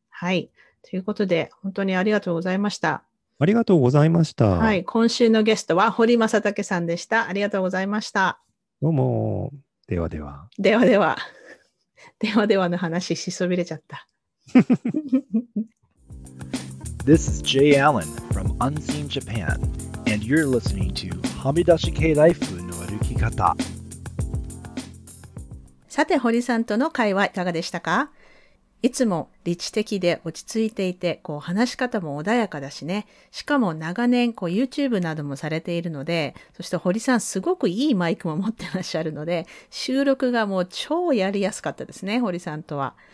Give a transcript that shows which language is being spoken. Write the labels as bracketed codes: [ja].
[ja] はい。ということで、本当にありがとうございました。ありがとうございました。はい。今週のゲストは、堀正剛さんでした。ありがとうございました。どうも。ではでは。ではでは。ではではの話、しそびれちゃった。 [en] This is Jay Allen from Unseen Japan. And you're listening to はみ出し系ライフの歩き方。 [ja] さて、堀さんとの会話いかがでしたか？いつも理知的で落ち着いていて、こう話し方も穏やかだしね。しかも長年こう YouTube などもされているので、そして堀さんすごくいいマイクも持ってらっしゃるので、収録がもう超やりやすかったですね、堀さんとは。